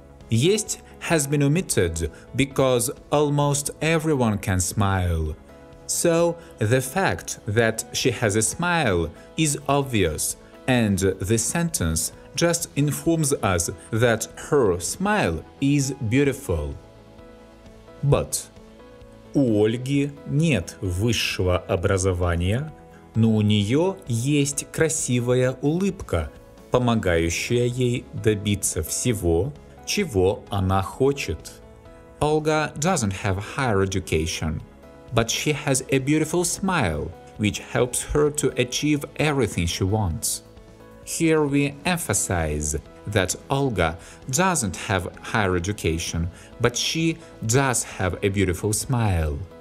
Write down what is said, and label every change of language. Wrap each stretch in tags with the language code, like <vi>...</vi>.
<en>Есть has been omitted because almost everyone can smile. So the fact that she has a smile is obvious, and the sentence just informs us that her smile is beautiful. But</en> <ru>у Ольги нет высшего образования, но у нее есть красивая улыбка, помогающая ей добиться всего, чего она хочет.</ru> <en>Olga doesn't have higher education, but she has a beautiful smile, which helps her to achieve everything she wants. Here we emphasize that Olga doesn't have higher education, but she does have a beautiful smile.</en>